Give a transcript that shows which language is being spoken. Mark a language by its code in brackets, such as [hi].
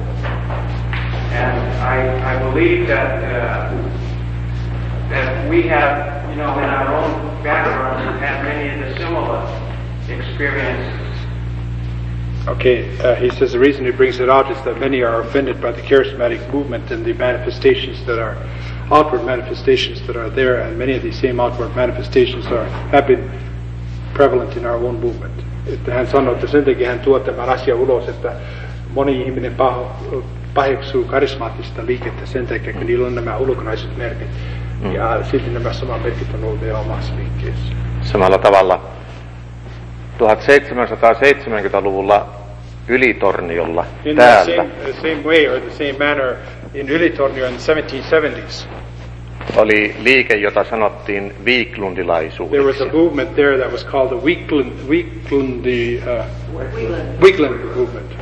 [en] And I believe that that we have, you know, in our own background, we've had many of the similar experiences. Okay, he says the reason he brings it out is that many are offended by the charismatic movement and the manifestations that are, outward manifestations that are there, and many of these same outward manifestations are, have been prevalent in our own movement. [fi] Hän sanoo, että sen takia hän tuo tämän asian ulos, että moni ihminen paheksuu karismaattista liikettä sen takia, kun niillä on nämä ulkonaiset merkit, ja silti nämä samat merkit on ollut vielä omassa liikkeessä. Samalla tavalla. 1770-luvulla Ylitorniolla [en] in [fi] täällä. [en] The same way or the same manner in Ylitornio in the 1770s. [fi] Oli liike, jota sanottiin Wiklundilaisuudeksi. [en] There was a movement there that was called the Wiklund movement.